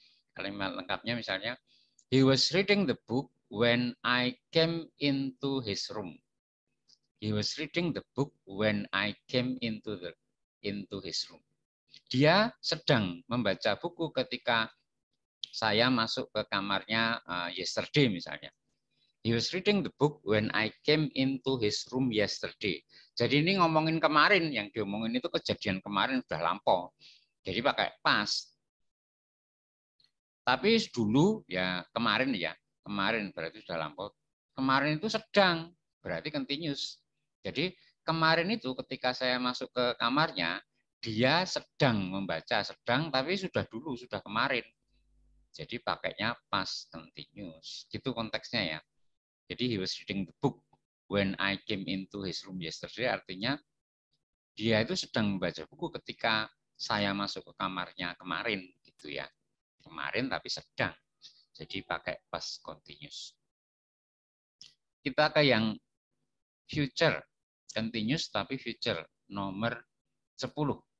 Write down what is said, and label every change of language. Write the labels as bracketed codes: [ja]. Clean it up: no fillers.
[id] Kalimat lengkapnya misalnya, [en] he was reading the book when I came into his room. He was reading the book when I came into his room. [id] Dia sedang membaca buku ketika saya masuk ke kamarnya yesterday misalnya. [en] He was reading the book when I came into his room yesterday. [id] Jadi ini ngomongin kemarin, yang diomongin itu kejadian kemarin sudah lampau. Jadi pakai past. Tapi dulu ya, kemarin berarti sudah lampau. Kemarin itu sedang, berarti continuous. Jadi kemarin itu ketika saya masuk ke kamarnya, dia sedang membaca, sedang, tapi sudah dulu, sudah kemarin. Jadi pakainya past continuous. Gitu konteksnya ya. [en] Jadi he was reading the book when I came into his room yesterday. [id] Artinya dia itu sedang membaca buku ketika saya masuk ke kamarnya kemarin. Gitu ya. Kemarin tapi sedang. Jadi pakai past continuous. Kita ke yang future. Continuous tapi future, nomor 10.